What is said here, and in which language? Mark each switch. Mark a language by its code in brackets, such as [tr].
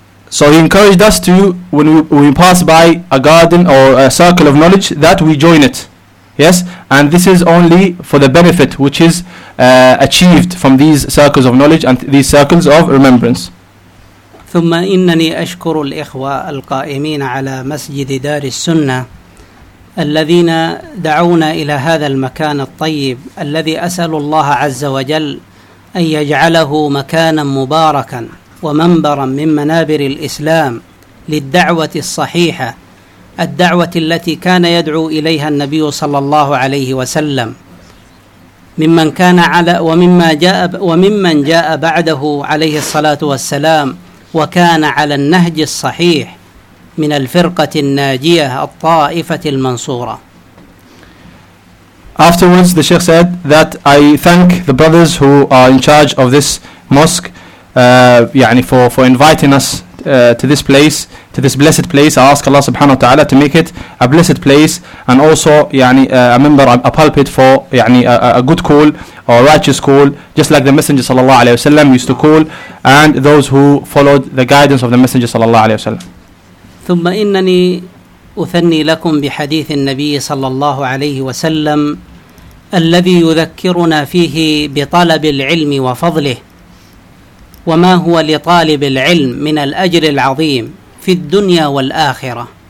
[en] So he encouraged us to, when we pass by a garden or a circle of knowledge, that we join it. Yes, and this is only for the benefit which is achieved from these circles of knowledge and these circles of remembrance. [ar] ثم إنني أشكر الإخوة القائمين على مسجد دار السنة الذين دعونا إلى هذا المكان الطيب الذي أسأل الله عز وجل أن يجعله مكانا مباركا ومنبرا من منابر الإسلام للدعوة الصحيحة، الدعوة التي كان يدعو إليها النبي صلى الله عليه وسلم، ممن كان على وممن جاء بعده عليه الصلاة والسلام وكان على النهج الصحيح من الفرقة الناجية الطائفة المنصورة. [en] Afterwards, the Sheikh said that I thank the brothers who are in charge of this mosque, يعني for inviting us to this place, to this blessed place. I ask Allah subhanahu wa ta'ala to make it a blessed place, and also a member, a pulpit for a good call or a righteous call, just like the Messenger sallallahu alayhi wa sallam used to call, and those who followed the guidance of the Messenger sallallahu alayhi wa sallam. [ar] ثم إنني أثني لكم بحديث النبي صلى الله عليه وسلم الذي يذكرنا فيه بطلب العلم وفضله وما هو لطالب العلم من الأجر العظيم في الدنيا والآخرة.